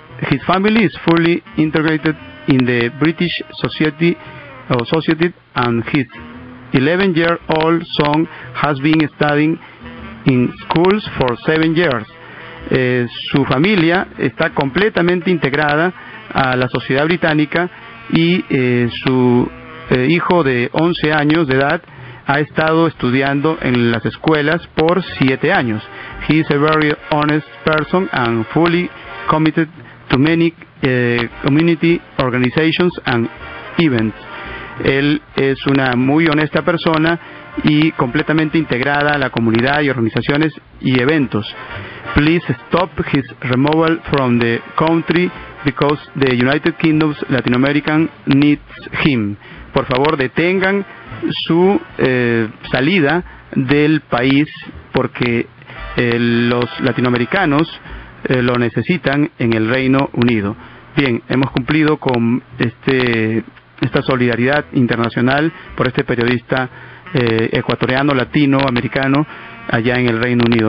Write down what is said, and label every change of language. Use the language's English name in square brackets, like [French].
[English] His family is fully integrated in the British society, and his 11-year-old son has been studying in schools for 7 years. [Spanish] Su familia está completamente integrada a la sociedad británica y su hijo de 11 años de edad ha estado estudiando en las escuelas por 7 años. [English] He is a very honest person and fully committed to many community organizations and events. [Spanish] Él es una muy honesta persona y completamente integrada a la comunidad y organizaciones y eventos. [English] Please stop his removal from the country because the United Kingdom's Latin American needs him. [Spanish] Por favor, detengan su salida del país porque los latinoamericanos lo necesitan en el Reino Unido. Bien, hemos cumplido con esta solidaridad internacional por este periodista ecuatoriano, latinoamericano, allá en el Reino Unido.